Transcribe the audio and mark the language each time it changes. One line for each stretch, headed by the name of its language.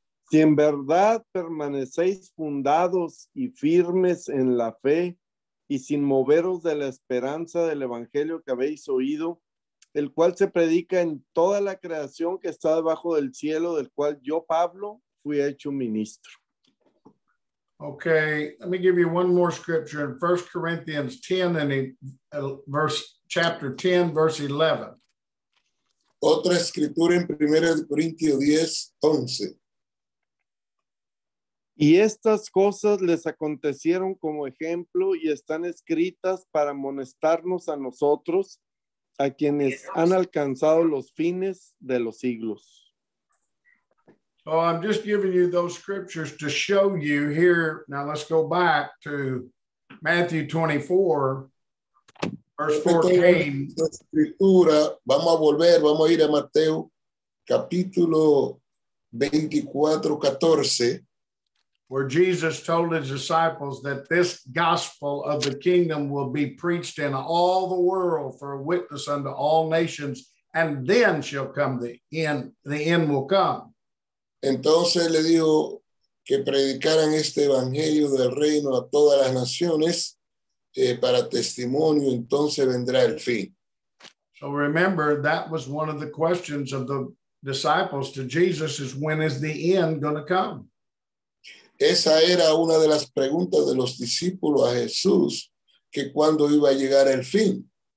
Spanish: Si en verdad permanecéis fundados y firmes en la fe, y sin moveros de la esperanza del evangelio que habéis oído, el cual se predica en toda la creación que está debajo del cielo, del cual yo, Pablo, fui hecho ministro.
English: Okay, let me give you one more scripture in 1 Corinthians 10, and chapter 10, verse 11.
Spanish: Otra escritura en 1 Corintios 10, 11. Y estas cosas les acontecieron como ejemplo y están escritas para amonestarnos a nosotros, a quienes han alcanzado los fines de los siglos.
English: So I'm just giving you those scriptures to show you here. Now let's go back to Matthew 24, verse 14.
Spanish: La escritura, vamos a ir a Mateo, capítulo 24, 14.
English: Where Jesus told his disciples that this gospel of the kingdom will be preached in all the world for a witness unto all nations, and then shall come the end. The end will come.
Spanish: Entonces le dijo que predicaran este evangelio del reino a todas las naciones para testimonio. Entonces vendrá el fin.
English: So remember, that was one of the questions of the disciples to Jesus: is when is the end going to come?
Spanish: Esa era una de las preguntas de los discípulos a Jesús, que cuándo iba a llegar el fin.